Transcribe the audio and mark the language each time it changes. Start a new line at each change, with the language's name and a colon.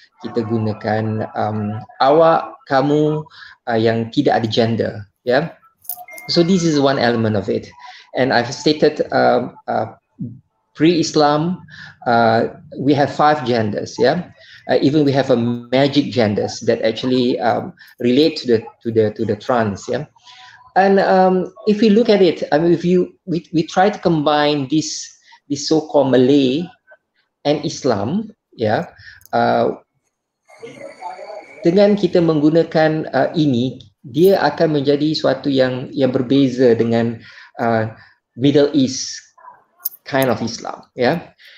Malay: Kita gunakan awak, kamu yang tidak ada gender, yeah.
English: So this is one element of it. And I've stated pre-Islam, we have five genders, yeah. Even we have a magic genders that actually relate to the trans, yeah. And if we look at it, I mean, if you we try to combine this so-called Malay and Islam, yeah.
Malay: Dengan kita menggunakan ini, dia akan menjadi suatu yang berbeza dengan
English: Middle East kind of Islam,
Malay: yeah.